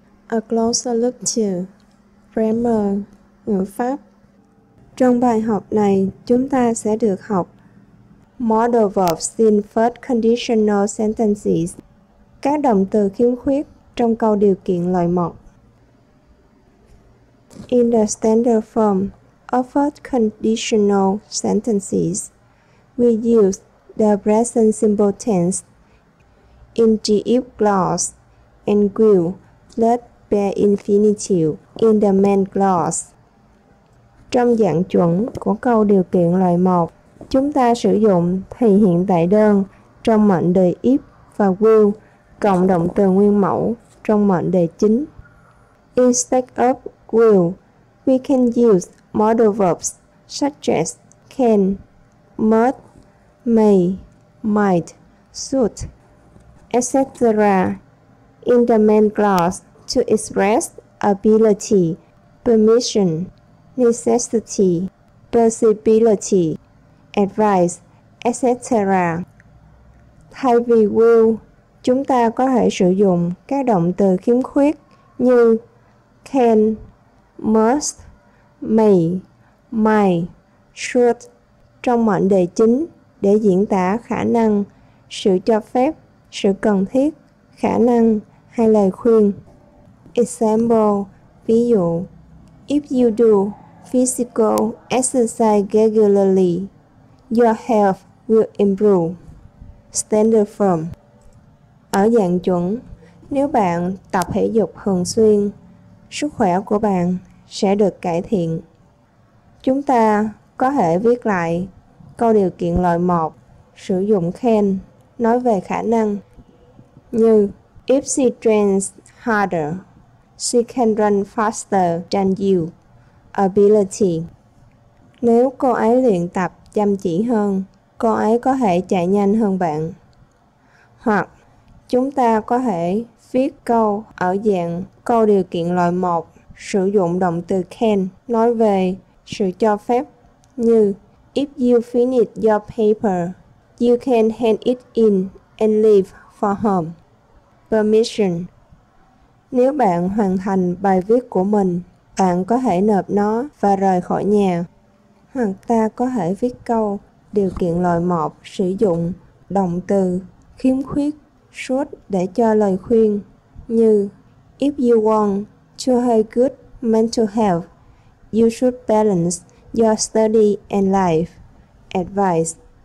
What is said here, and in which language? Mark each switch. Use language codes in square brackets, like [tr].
[en] A Closer Look to Grammar, [vi] ngữ pháp. Trong bài học này, chúng ta sẽ được học [en] Modal Verbs in First Conditional Sentences, [vi] các động từ khiếm khuyết trong câu điều kiện loại một. [en] In the standard form of first conditional sentences, we use the present simple tense in the if clause and will let bare infinitive in the main clause. [vi] Trong dạng chuẩn của câu điều kiện loại 1, chúng ta sử dụng thì hiện tại đơn trong mệnh đề if và will cộng động từ nguyên mẫu trong mệnh đề chính. [en] Instead of will, we can use modal verbs such as can, must, may, might, should, etc. in the main clause to express ability, permission, necessity, possibility, advice, etc. [vi] Thay vì will, chúng ta có thể sử dụng các động từ khiếm khuyết như can, must, may, might, should trong mệnh đề chính để diễn tả khả năng, sự cho phép, sự cần thiết, khả năng hay lời khuyên. [en] Example, [vi] ví dụ, [en] if you do physical exercise regularly, your health will improve. Standard form. [vi] Ở dạng chuẩn, nếu bạn tập thể dục thường xuyên, sức khỏe của bạn sẽ được cải thiện. Chúng ta có thể viết lại câu điều kiện loại 1, sử dụng can, nói về khả năng. Như, [en] if she trains harder, she can run faster than you. Ability. [vi] Nếu cô ấy luyện tập chăm chỉ hơn, cô ấy có thể chạy nhanh hơn bạn. Hoặc, chúng ta có thể viết câu ở dạng câu điều kiện loại 1, sử dụng động từ can, nói về sự cho phép. Như, [en] if you finish your paper, you can hand it in and leave for home. Permission. [vi] Nếu bạn hoàn thành bài viết của mình, bạn có thể nộp nó và rời khỏi nhà. Hoặc ta có thể viết câu điều kiện loại 1 sử dụng động từ khiếm khuyết should để cho lời khuyên như [en] if you want to have good mental health, you should balance your study and life. Advice.